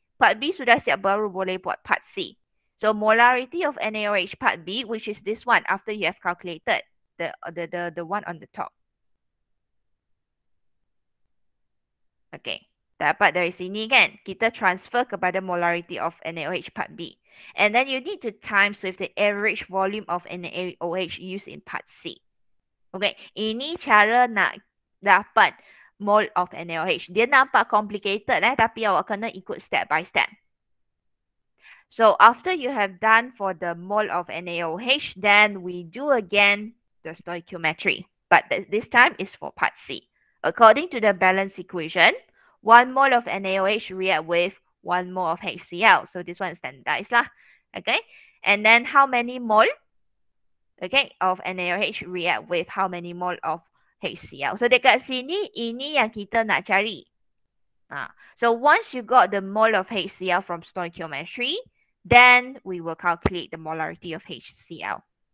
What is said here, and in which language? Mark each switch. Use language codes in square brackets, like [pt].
[ms] Part B sudah siap baru boleh buat part C. [en] So molarity of NaOH part B, which is this one after you have calculated the one on the top. [ms] Okay, dapat dari sini kan, kita transfer kepada molarity of NaOH part B. [en] And then you need to times with the average volume of NaOH used in part C. [ms] Okay, ini cara nak dapat mole of NaOH. Dia nampak complicated eh, tapi awak kena ikut step by step. [en] So after you have done for the mole of NaOH, then we do again the stoichiometry. But this time is for part C. According to the balance equation, 1 mole of NaOH react with 1 mole of HCl. So this one is standardized lah. Okay. And then how many mole, okay, of NaOH react with how many mole of HCl. [ms] So dekat sini, ini yang kita nak cari. [en] So once you got the mole of HCl from stoichiometry, then we will calculate the molarity of HCl.